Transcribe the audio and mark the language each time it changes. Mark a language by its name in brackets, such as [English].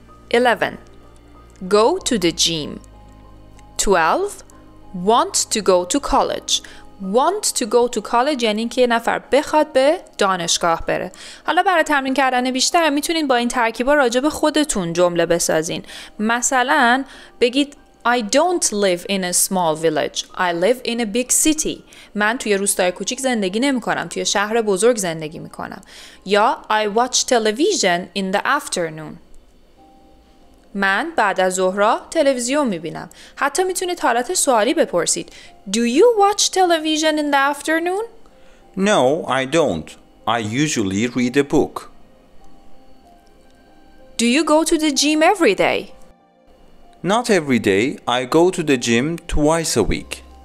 [English] 11. Go to the gym. 12. Want to go to college. Want to go to college [Persian] یعنی که یه نفر بخواد به دانشگاه بره. حالا برای تمرین کردن بیشتر میتونین با این ترکیبا راجع به خودتون جمله بسازین. مثلا بگید [English] I don't live in a small village. I live in a big city. [Persian] من توی روستای کوچیک زندگی نمی کنم. توی شهر بزرگ زندگی می کنم. [English] یا I watch television in the afternoon. [Persian] من بعد از ظهر تلویزیون می بینم. حتی می تونید حالت سوالی بپرسید. [English] Do you watch television in the afternoon? No, I don't. I usually read a book. Do you go to the gym every day? Not every day. I go to the gym twice a week.